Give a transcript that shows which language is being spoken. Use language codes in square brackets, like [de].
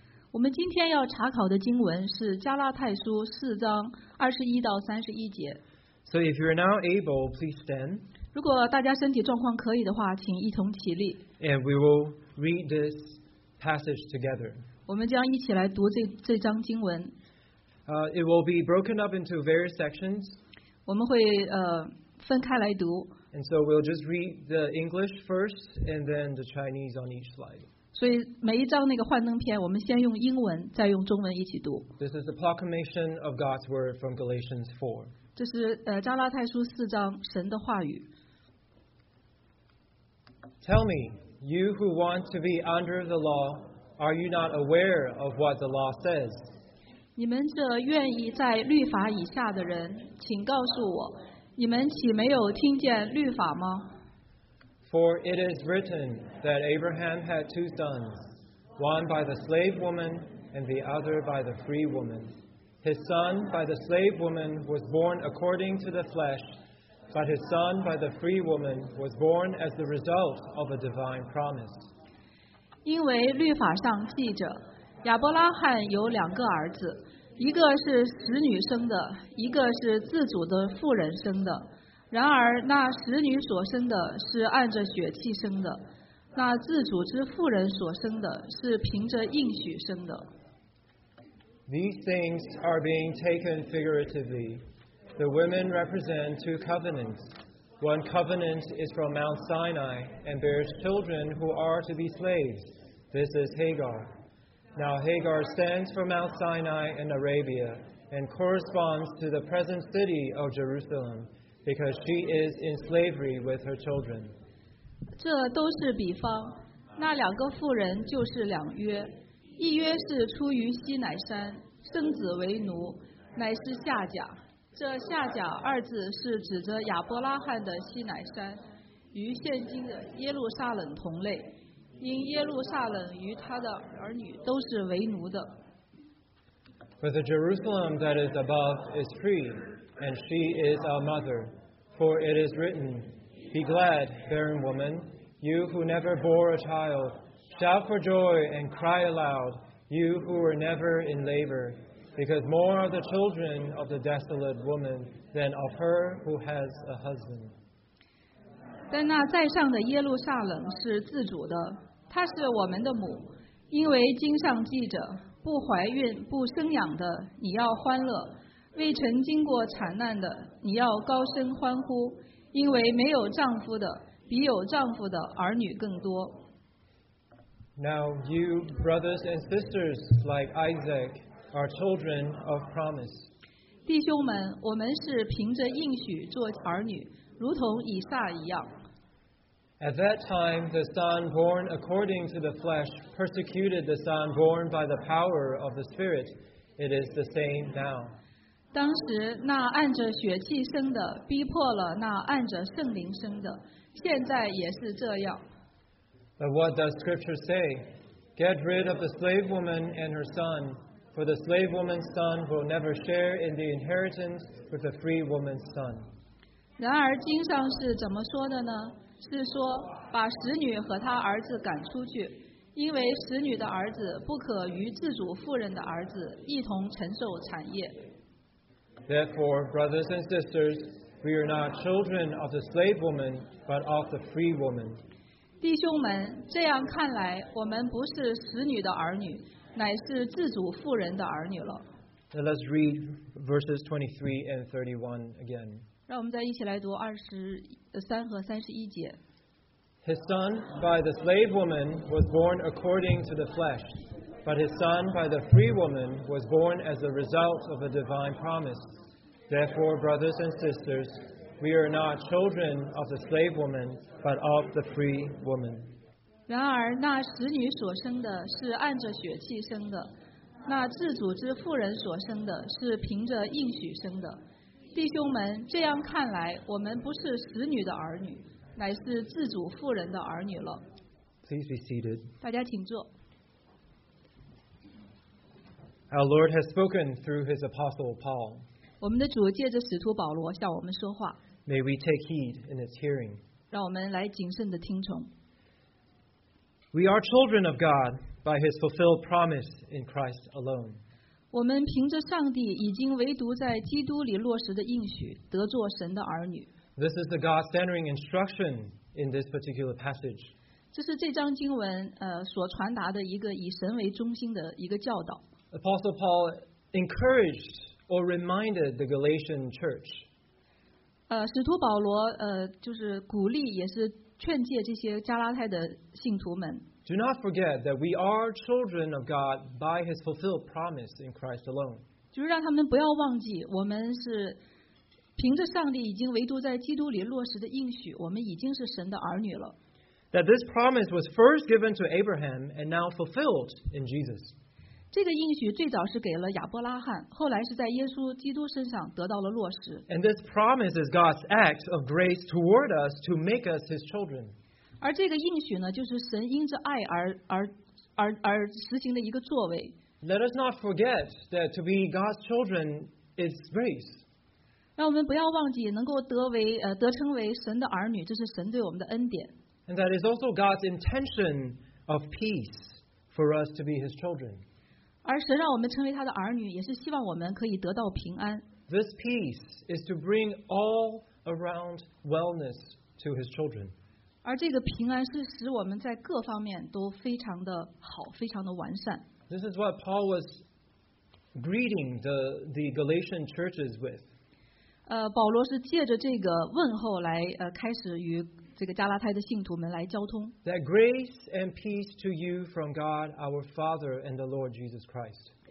[zh] 我们今天要查考的经文是加拉太书四章二十一到三十一节。 [en] So if you're now able, please stand. [zh] 如果大家身体状况可以的话，请一同起立。 [en] And we will read this passage together. [zh] 我们将一起来读这章经文。 [en] It will be broken up into various sections. [zh] 我们会分开来读。 [en] And so we'll just read the English first and then the Chinese on each slide. [zh] 所以每一章那个幻灯片我们先用英文再用中文一起读。 [en] This is the proclamation of God's word from Galatians 4. [zh] 这是加拉太书四章神的话语。 [en] Tell me, you who want to be under the law, are you not aware of what the law says? [zh] 你们这愿意在律法以下的人，请告诉我，你们岂没有听见律法吗？ [en] For it is written that Abraham had two sons, one by the slave woman and the other by the free woman. His son by the slave woman was born according to the flesh, but his son by the free woman was born as the result of a divine promise. [zh] 因为律法上记着，亚伯拉罕有两个儿子，一个是使女生的，一个是自主的妇人生的。然而那使女所生的是按着血气生的，那自主之妇人所生的是凭着应许生的。 [en] These things are being taken figuratively. The women represent two covenants. One covenant is from Mount Sinai and bears children who are to be slaves. This is Hagar. Now Hagar stands for Mount Sinai in Arabia and corresponds to the present city of Jerusalem because she is in slavery with her children. [zh] 这都是比方，那两个妇人就是两约，一约是出于西乃山，生子为奴，乃是夏甲。这夏甲二字是指着亚伯拉罕的西乃山，与现今的耶路撒冷同类。因耶路撒冷与他的儿女都是为奴的。 [en] But the Jerusalem that is above is free, and she is a mother. For it is written, Be glad, barren woman, you who never bore a child. Shout for joy and cry aloud, you who were never in labor. Because more are the children of the desolate woman than of her who has a husband. [zh] 但那在上的耶路撒冷是自主的。她是我们的母，因为经上记着，不怀孕不生养的你要欢乐，未曾经过产难的你要高声欢呼，因为没有丈夫的比有丈夫的儿女更多。 [en] Now you brothers and sisters like Isaac are children of promise. [zh] 弟兄们，我们是凭着应许做儿女，如同以撒一样。 [en] At that time, the son born according to the flesh persecuted the son born by the power of the Spirit. It is the same now. [zh] 当时那按着血气生的逼迫了那按着圣灵生的，现在也是这样。 [en] But what does Scripture say? Get rid of the slave woman and her son, for the slave woman's son will never share in the inheritance with the free woman's son. [zh] 然而经上是怎么说的呢？是说把使女和她儿子赶出去，因为使女的儿子不可与自主妇人的儿子一同承受产业。 [en] Therefore, brothers and sisters, we are not children of the slave woman, but of the free woman. [zh] 弟兄们，这样看来，我们不是使女的儿女，乃是自主妇人的儿女了。 [en] Now let's read verses 23 and 31 again. [zh] 让我们再一起来读二十三和三十一节。 [en] His son by the slave woman was born according to the flesh, but his son by the free woman was born as the result of a divine promise. Therefore, brothers and sisters, we are not children of the slave woman, but of the free woman. [zh] 然而，那使女所生的是按着血气生的，那自主之妇人所生的是凭着应许生的。弟兄们，这样看来，我们不是使女的儿女，乃是自主妇人的儿女了。 [en] Please be seated. [zh] 大家请坐。 [en] Our Lord has spoken through His apostle Paul. [zh] 我们的主借着使徒保罗向我们说话。 [en] May we take heed in His hearing. [zh] 让我们来谨慎的听从。 [en] We are children of God by His fulfilled promise in Christ alone. [zh] 我们凭着上帝已经唯独在基督里落实的应许，得作神的儿女。 [en] This is the God-centering instruction in this particular passage. [zh] 这是这章经文所传达的一个以神为中心的一个教导。 [en] Apostle Paul encouraged or reminded the Galatian church. [zh] 使徒保罗就是鼓励也是劝诫这些加拉太的信徒们。 [en] Do not forget that we are children of God by His fulfilled promise in Christ alone. [zh] 就是让他们不要忘记，我们是凭着上帝已经唯独在基督里落实的应许，我们已经是神的儿女了。 [en] That this promise was first given to Abraham and now fulfilled in Jesus. [zh] 这个应许最早是给了亚伯拉罕，后来是在耶稣基督身上得到了落实。 [en] And this promise is God's act of grace toward us to make us His children. [zh] 而这个应许呢，就是神因着爱而实行的一个作为。 [en] Let us not forget that to be God's children is grace. [zh] 让我们不要忘记，能够得称为神的儿女，这是神对我们的恩典。 [en] And that is also God's intention of peace for us to be His children. [zh] 而神让我们成为他的儿女，也是希望我们可以得到平安。 [en] This peace is to bring all around wellness to His children. [zh] 而这个平安是使我们在各方面都非常的好，非常的完善。 [en] This is what Paul was greeting the Galatian churches with. [zh] 保罗是借着这个问候来开始与这个加拉太的信徒们来交通。 [en] That grace and peace to you from God our Father and the Lord Jesus Christ.